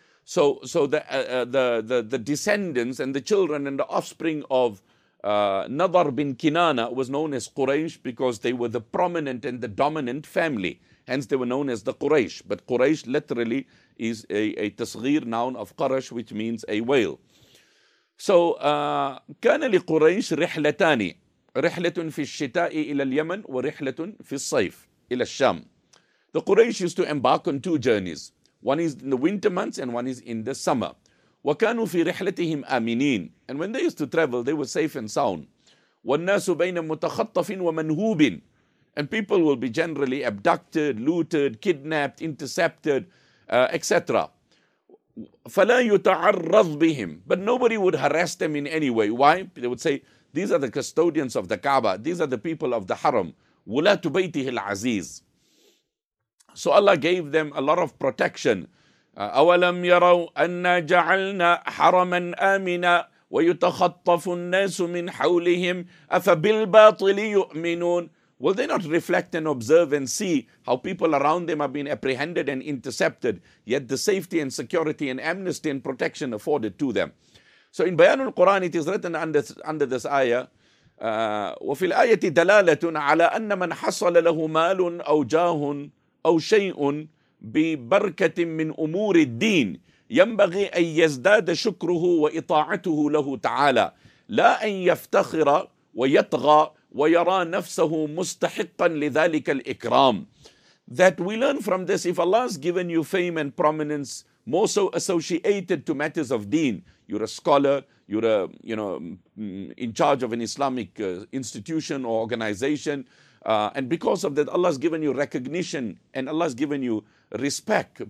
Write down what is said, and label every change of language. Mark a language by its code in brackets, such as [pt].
[en] So the descendants and the children and the offspring of Nadar bin Kinana was known as Quraysh because they were the prominent and the dominant family. Hence, they were known as the Quraysh. But Quraysh literally is a tasghir noun of Quraysh, which means a whale. [ar] So, كان لقريش رحلتان رحلة في الشتاء إلى اليمن ورحلة في الصيف إلى الشام. [en] The Quraysh used to embark on two journeys. One is in the winter months and one is in the summer. [ar] وكانوا في رحلتهم آمنين. [en] And when they used to travel, they were safe and sound. [ar] والناس بين متخطف ومنهوب. [en] And people will be generally abducted, looted, kidnapped, intercepted, etc. [ar] فلا يتعرض بهم. [en] But nobody would harass them in any way. Why? They would say, these are the custodians of the Kaaba. These are the people of the Haram. [ar] ولاة بيته العزيز. [en] So Allah gave them a lot of protection. [ar] أَوَلَمْ يَرَوْا أَنَّا جَعَلْنَا حَرَمًا آمِنًا وَيُتَخَطَّفُ النَّاسُ مِنْ حَوْلِهِمْ أَفَبِالْبَاطِلِ يُؤْمِنُونَ. [en] Will they not reflect and observe and see how people around them are being apprehended and intercepted, yet the safety and security and amnesty and protection afforded to them? So in Bayan al-Quran, it is written under this ayah, [ar] وَفِي الْآيَةِ دَلَالَةٌ عَلَىٰ أَنَّ مَنْ حَصَلَ لَهُ مَالٌ أَوْ جَاهٌ أَوْ شَيْءٌ بِبَرْكَةٍ مِّنْ أُمُورِ الدِّينِ يَنْبَغِي أَنْ يَزْدَادَ شُكْرُهُ وَإِطَاعَتُهُ لَهُ تَعَالَى لَا أَنْ يَفْتَخِرَ وَيَطْغَى وَيَرَى نَفْسَهُ مُسْتَحِقًّا لِذَلِكَ الْإِكْرَامِ. [en] That we learn from this, if Allah has given you fame and prominence, more so associated to matters of deen, you're a scholar, you're a, you know, in charge of an Islamic institution or organization, and because of that, Allah has given you recognition and Allah has given you respect.